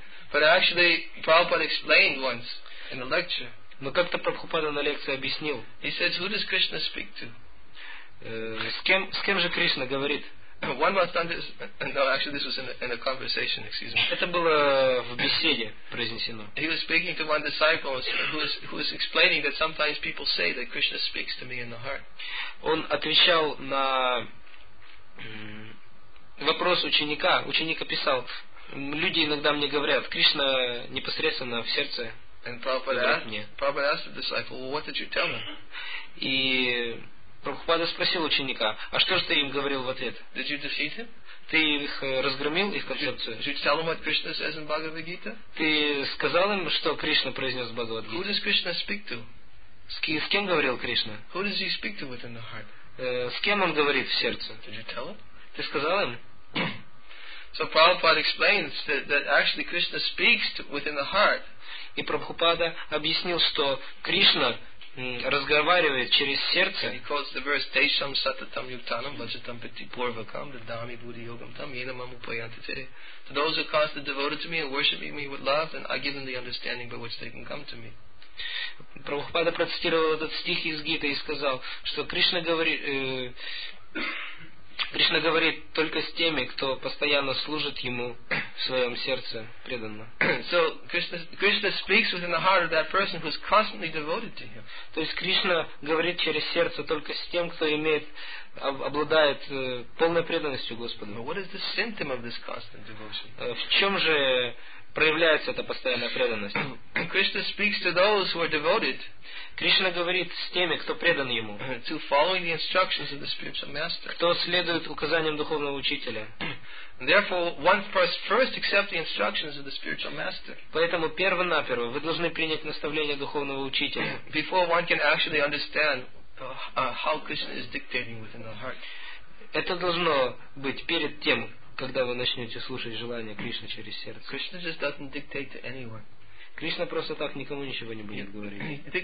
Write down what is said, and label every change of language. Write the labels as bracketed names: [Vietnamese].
[English] But actually, Prabhupada explained once in a lecture. [Russian] Но как-то Прабхупада на лекции объяснил. [English] He says, who does Krishna speak to? [Russian] С кем же Кришна говорит? [English] One must understand. No, actually, this was in a conversation. Excuse me. [Russian] Это было в беседе произнесено. [English] He was speaking to one disciple who was explaining that sometimes people say that Krishna speaks to me in the heart. [Russian] Он отвечал на вопрос ученика. Ученик описал: люди иногда мне говорят, Кришна непосредственно в сердце. [English] And Prabhupada asked the disciple, well, "What did you tell them?" [Russian] И Прабхупада спросил ученика, а что же ты им говорил в ответ? [English] Did you defeat him? [Russian] Ты их разгромил, их концепцию? [English] Did you tell them what Krishna says in Bhagavad Gita? [Russian] Ты сказал им, что Кришна произнес в Бхагавад Гите? [English] Who does Krishna speak to? [Russian] С кем говорил Кришна? [English] Who does he speak to within the heart? [Russian] С кем он говорит в сердце? [English] Did you tell him? [Russian] Ты сказал им? [English] So Prabhupada explains that actually Krishna speaks to, within the heart. [Russian] И Прабхупада объяснил, что Кришна разговаривает через сердце. [English] He quotes the verse [Sanskrit] Tesham Satatam Yuktanam Bhajatam Piti Purvakam Dadami Buddhi Yogam Tam Yenam Upayanti. [English] To those who are constantly devoted to me and worshiping me with love, then I give them the understanding by which they can come to me. [Russian] Прабхупада процитировал этот стих из Гиты и сказал, что Кришна говорит только с теми, кто постоянно служит ему в своем сердце преданно. [English] So Krishna speaks within the heart of that person who is constantly devoted to him. [Russian] То есть Кришна говорит через сердце только с тем, кто обладает полной преданностью Господу. [English] But what is the symptom of this constant devotion? [Russian] В чем же проявляется эта постоянная преданность? [English] Krishna speaks to those who are devoted. [Russian] Кришна говорит с теми, кто предан ему. [English] To following the instructions of the spiritual master. [Russian] Кто следует указаниям духовного учителя. [English] Therefore, one first accept the instructions of the spiritual master. [Russian] Поэтому перво-наперво вы должны принять наставление духовного учителя. [English] Before one can actually understand how Krishna is dictating within the heart. [Russian] Это должно быть перед тем, когда вы начнете слушать желания Кришны через сердце. [English] Krishna just doesn't dictate to anyone. [Russian] Кришна просто так никому ничего не будет говорить.